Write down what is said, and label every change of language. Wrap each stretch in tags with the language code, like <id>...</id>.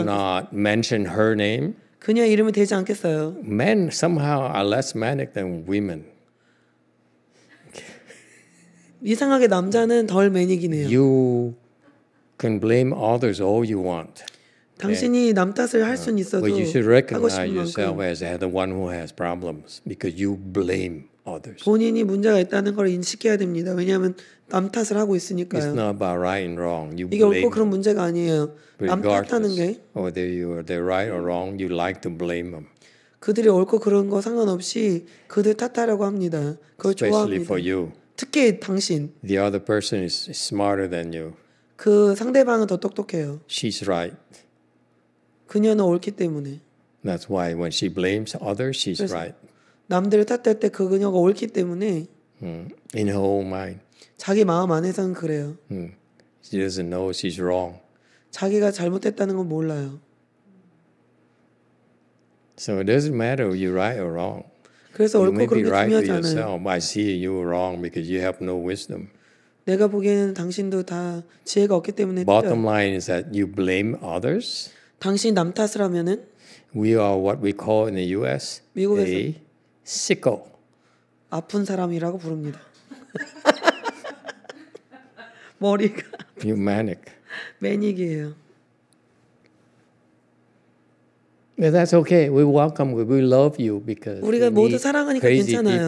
<en>I will not mention her name.</en> <ko>그녀 이름을 대지 않겠어요.</ko> <en>Men somehow are less manic than women.</en> <ko>이상하게 남자는 덜 매닉이네요.</ko> <en>You can blame others all you want.</en> <ko>당신이 남 탓을 할 순 있어도</ko> <en>But you should recognize yourself as the one who has problems because you blame others.</en> <ko>본인이 문제가 있다는 걸 인식해야 됩니다. 왜냐하면 남 탓을 하고 있으니까요.</ko> <en>It's not about right and wrong. You blame.</en> <ko>이게 옳고 그런 문제가 아니에요. 남 탓하는 게.</ko> <en>Whether you are they right or wrong, you like to blame them.</en> <ko>그들이 옳고 그런 거 상관없이 그들 탓하려고 합니다. 그걸 좋아합니다.</ko> <en>Especially for you.</en> <ko>특히 당신.</ko> <en>The other person is smarter than you.</en> <ko>그 상대방은 더 똑똑해요.</ko> <en>She's right.</en> <ko>그녀는 옳기 때문에.</ko> <en>That's why when she blames others, she's right.</en> <ko>남들을 탓할 때 그 그녀가 옳기 때문에.</ko> <en>In her own mind.</en> <ko>자기 마음 안에서는 그래요.</ko> <en>She doesn't know she's wrong.</en> <ko>자기가 잘못했다는 건 몰라요.</ko> <en>So it doesn't matter if you're right or wrong.</en> <ko>그래서 옳고 그런 게</ko> <en>right</en> <ko>중요하잖아요.</ko> <en>I see you're wrong because you have no wisdom.</en> <ko>내가 보기에는 당신도 다 지혜가 없기 때문에.</ko> <en>Bottom line is that you blame others.</en> <ko>당신 남 탓을 하면은</ko> <en>We are what we call in the US a sicko.</en> <ko>아픈 사람이라고 부릅니다. 머리가</ko> <en>You're manic.</en> <ko>매닉이에요.</ko> <en>Yeah, that's okay. We welcome you. We love you because</en> <ko>우리가</ko> <en>we</en> <ko>모두</ko> <en>need</en> <ko>사랑하니까</ko> <en>crazy</en> <ko>괜찮아요.</ko>